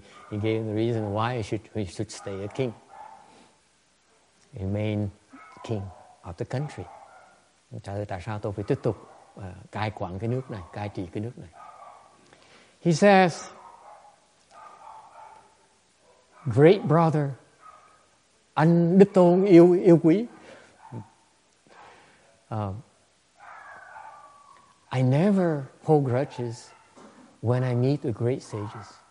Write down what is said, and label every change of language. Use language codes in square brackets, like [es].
[en] He gave the reason why we should stay a king, remain king of the country. [vi] Trả lời tại sao tôi phải tiếp tục cai quản cái nước này, cai trị cái nước này. [en] He says, "Great brother, [vi] anh Đức Tôn yêu quý, [en] I never hold grudges when I meet the great sages."